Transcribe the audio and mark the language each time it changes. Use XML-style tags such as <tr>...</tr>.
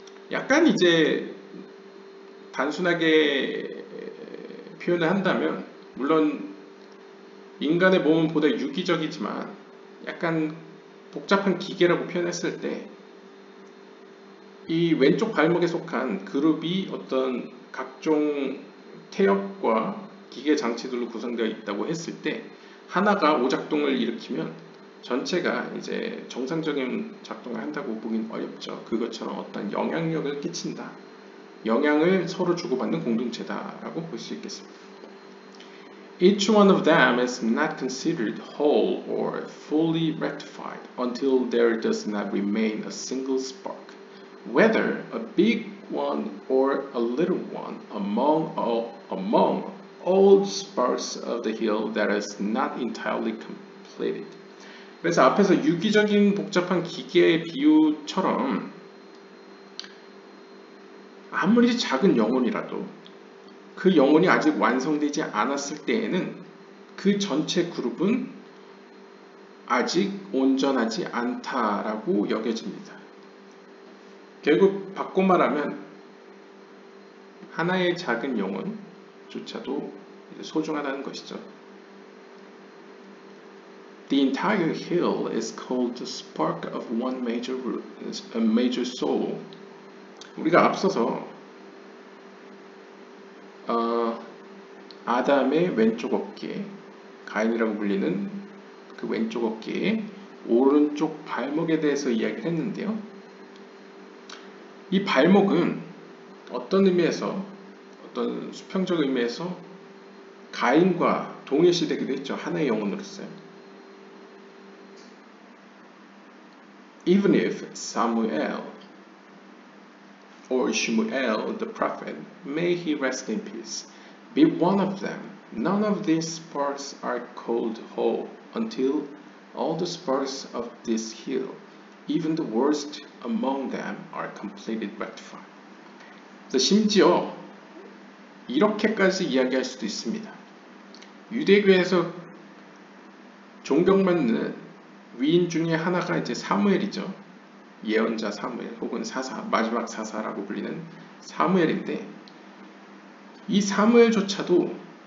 <ko>약간 이제 단순하게 표현을 한다면, 물론 인간의 몸은 보다 유기적이지만 약간 복잡한 기계라고 표현했을 때 이 왼쪽 발목에 속한 그룹이 어떤 각종 태엽과 기계 장치들로 구성되어 있다고 했을 때 하나가 오작동을 일으키면 전체가 이제 정상적인 작동을 한다고 보긴 어렵죠. 그것처럼 어떤 영향력을 끼친다. 영향을 서로 주고받는 공동체다라고 볼 수 있겠습니다.</ko> <en>Each one of them is not considered whole or fully rectified until there does not remain a single spark, whether a big one or a little one, among all sparks of the hill that is not entirely completed.</en> <ko>그래서 앞에서 유기적인 복잡한 기계의 비유처럼 아무리 작은 영혼이라도 그 영혼이 아직 완성되지 않았을 때에는 그 전체 그룹은 아직 온전하지 않다라고 여겨집니다. 결국 바꿔 말하면 하나의 작은 영혼조차도 소중하다는 것이죠.</ko> <en>The entire hill is called the spark of one major root, a major soul.</en> <ko>우리가 앞서서 아담의 왼쪽 어깨, 가인이라고 불리는 그 왼쪽 어깨의 오른쪽 발목에 대해서 이야기를 했는데요. 이 발목은 어떤 의미에서, 어떤 수평적 의미에서 가인과 동일시되기도 했죠. 하나의 영혼으로서요.</ko> <en>Even if Samuel or Shmuel the prophet, may he rest in peace, be one of them, none of these sparks are called whole until all the sparks of this hill, even the worst among them, are completely rectified.</en> <ko>심지어 이렇게까지 이야기할 수도 있습니다. 유대교에서 존경받는 위인 중에 하나가 이제 사무엘이죠. 예언자 사무엘 혹은 사사, 마지막 사사라고 불리는 사무엘인데 이 사무엘조차도</ko>